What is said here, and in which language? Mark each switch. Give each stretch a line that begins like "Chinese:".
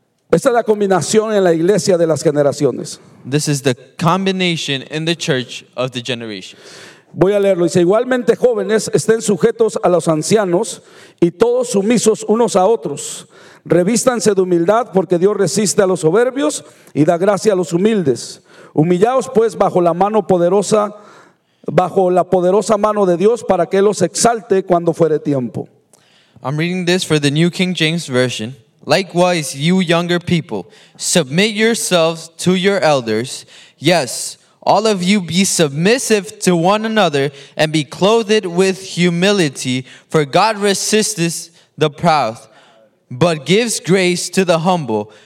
Spanish: Esta es la combinación en la iglesia de las generaciones.
English: This is the combination in the church of the generation.
Spanish: Voy a leerlo. Dice, igualmente jóvenes estén sujetos a los ancianos y todos sumisos unos a otros. Revístanse de humildad porque Dios resiste a los soberbios y da gracia a los humildes. Humillaos pues bajo la poderosa mano de Dios para que los exalte cuando fuere tiempo.
English: I'm reading this for the New King James Version. Likewise, you younger people, submit yourselves to your elders. Yes, all of you be submissive to one another and be clothed with humility, for God resists the proud, but gives grace to the humble.